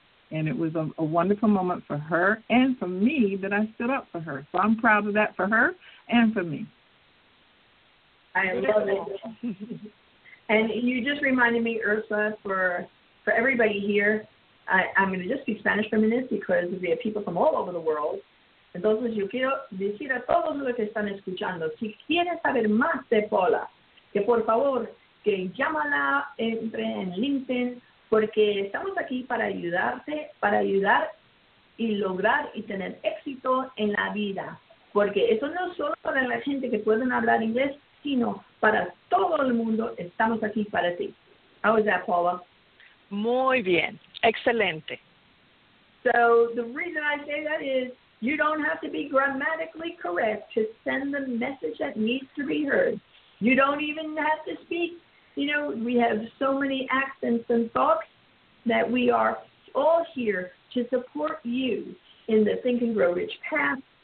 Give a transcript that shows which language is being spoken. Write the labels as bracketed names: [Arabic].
[English] And it was a wonderful moment for her and for me that I stood up for her. So I'm proud of that for her and for me. I love it. And you just reminded me, Ursula, for everybody here, I'm going to just speak Spanish for a minute because we have people from all over the world. [Spanish] Entonces, yo quiero decir a todos los que están escuchando, si quieres saber más de Paula, que por favor, que llámala, entre en LinkedIn, porque estamos aquí para ayudarte, para ayudar y lograr y tener éxito en la vida. Porque eso no es solo para la gente que pueden hablar inglés, sino para todo el mundo, estamos aquí para ti. [English] How is that, Paula? [Spanish] Muy bien. Excelente. [English] So the reason I say that is you don't have to be grammatically correct to send the message that needs to be heard. You don't even have to speak. You know, we have so many accents and thoughts that we are all here to support you in the Think and Grow Rich path.